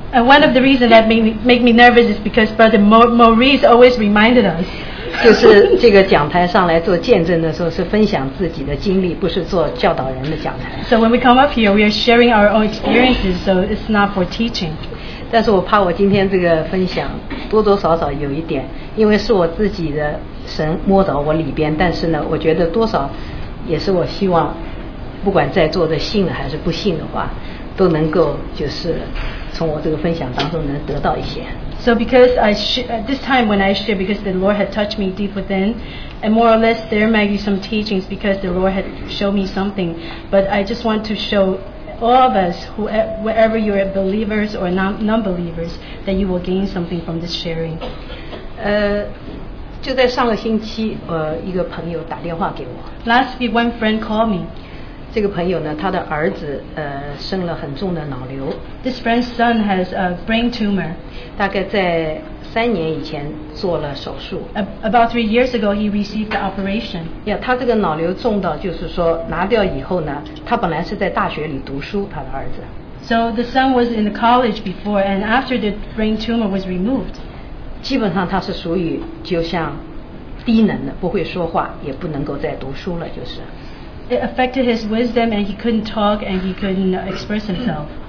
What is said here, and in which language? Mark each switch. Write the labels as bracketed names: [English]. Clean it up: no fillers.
[English] And one of the reasons that make me nervous is because Brother Maurice always reminded us. [Chinese] 就是这个讲台上来做见证的时候是分享自己的经历，不是做教导人的讲台。 [English] So when we come up here, we are sharing our own experiences, so it's not for teaching. [Chinese] 但是我怕我今天这个分享多多少少有一点，因为是我自己的神摸到我里边，但是呢我觉得多少也是我希望不管在座的信还是不信的话，都能够就是从我这个分享当中能得到一些。 [English] So because I at this time when I share, because the Lord had touched me deep within, and more or less there might be some teachings because the Lord had shown me something, but I just want to show all of us, wherever you are, believers or non-believers, that you will gain something from this sharing. [Chinese] 就在上个星期，一个朋友打电话给我。 [English] Last week, one friend called me. [Chinese] 这个朋友呢，他的儿子生了很重的脑瘤。 [English] This friend's son has a brain tumor. [Chinese] 大概在三年以前做了手术。 [English] About 3 years ago, he received the operation. [Chinese] Yeah, 他这个脑瘤重到就是说拿掉以后呢，他本来是在大学里读书，他的儿子。 [English] So the son was in the college before, and after the brain tumor was removed. [Chinese] 基本上他是属于就像低能的，不会说话，也不能够再读书了，就是。 [English] It affected his wisdom, and he couldn't talk, and he couldn't express himself.